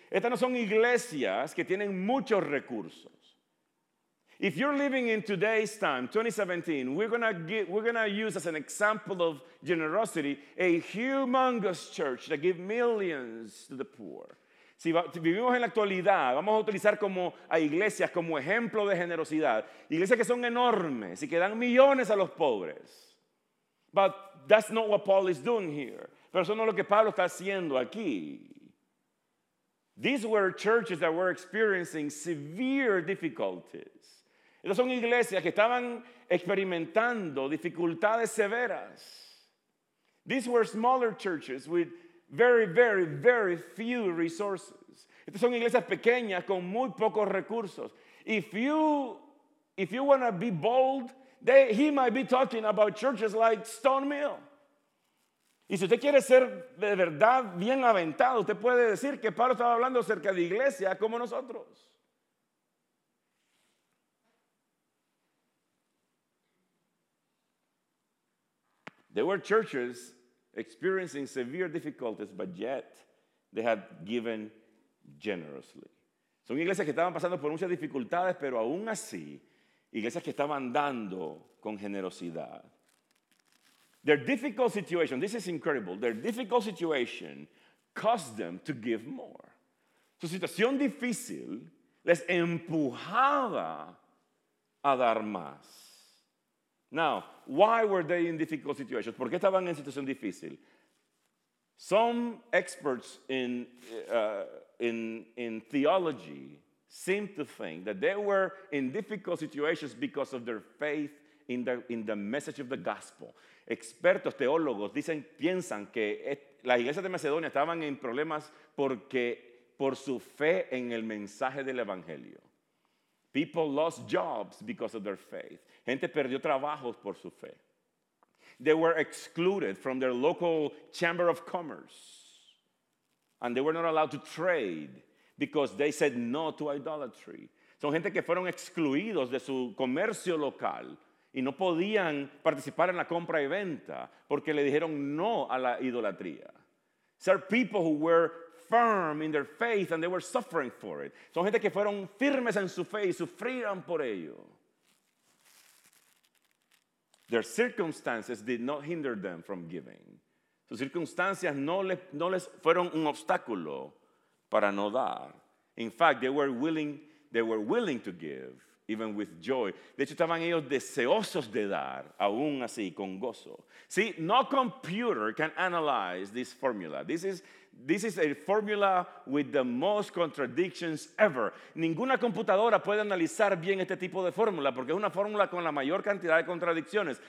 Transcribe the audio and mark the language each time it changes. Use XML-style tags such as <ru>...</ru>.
<es>Estas no son iglesias que tienen muchos recursos.</es> <en>If you're living in today's time, 2017, we're gonna use as an example of generosity a humongous church that give millions to the poor.</en> <es>Si vivimos en la actualidad, vamos a utilizar como a iglesias como ejemplo de generosidad. Iglesias que son enormes y que dan millones a los pobres.</es> <en>But that's not what Paul is doing here.</en> <es>Pero eso no es lo que Pablo está haciendo aquí.</es> <en>These were churches that were experiencing severe difficulties.</en> <es>Estas son iglesias que estaban experimentando dificultades severas.</es> <en>These were smaller churches with very, very, very few resources.</en> <es>Estas son iglesias pequeñas con muy pocos recursos.</es> <en>If you want to be bold, he might be talking about churches like Stone Mill.</en> <es>Y si usted quiere ser de verdad bien aventado, usted puede decir que Pablo estaba hablando acerca de iglesias como nosotros.</es> <en>There were churches experiencing severe difficulties, but yet they had given generously.</en> <es>Son iglesias que estaban pasando por muchas dificultades, pero aún así, iglesias que estaban dando con generosidad.</es> <en>Their difficult situation, this is incredible, their difficult situation caused them to give more.</en> <es>Su situación difícil les empujaba a dar más.</es> <en>Now, why were they in difficult situations?</en> <es>¿Por qué estaban en situación difícil?</es> <en>Some experts in theology seem to think that they were in difficult situations because of their faith in the message of the gospel.</en> <es>Expertos teólogos dicen, piensan que las iglesias de Macedonia estaban en problemas porque por su fe en el mensaje del evangelio.</es> <en>People lost jobs because of their faith.</en> <es>Gente perdió trabajos por su fe.</es> <en>They were excluded from their local chamber of commerce. And they were not allowed to trade because they said no to idolatry.</en> <es>Son gente que fueron excluidos de su comercio local y no podían participar en la compra y venta porque le dijeron no a la idolatría.</es> <en>These are people who were firm in their faith and they were suffering for it.</en> <es>Son gente que fueron firmes en su fe y sufrieron por ello.</es> <en>Their circumstances did not hinder them from giving.</en> <es>Sus circunstancias no les fueron un obstáculo para no dar.</es> <en>In fact, they were willing to give even with joy.</en> <es>De hecho, estaban ellos deseosos de dar, aún así, con gozo.</es> <en>See, no computer can analyze this formula. This is a formula with the most contradictions ever.</en> <es>Ninguna computadora puede analizar bien este tipo de fórmula porque es una fórmula con la mayor cantidad de contradicciones.</es>